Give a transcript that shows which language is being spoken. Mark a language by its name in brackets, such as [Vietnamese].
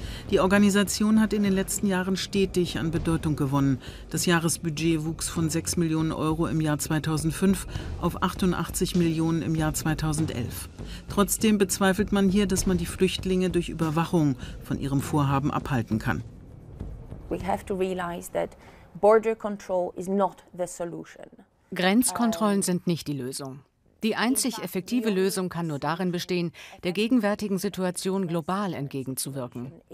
[German] Die Organisation hat in den letzten Jahren stetig an Bedeutung gewonnen. Das Jahresbudget wuchs von 6 Millionen Euro im Jahr 2005 auf 88 Millionen im Jahr 2011. Trotzdem bezweifelt man hier, dass man die Flüchtlinge durch Überwachung von ihrem Vorhaben abhalten kann. [English] We have to realize that border control is not the solution. [German] Grenzkontrollen sind nicht die Lösung. Die einzig effektive Lösung kann nur darin bestehen, der gegenwärtigen Situation global entgegenzuwirken.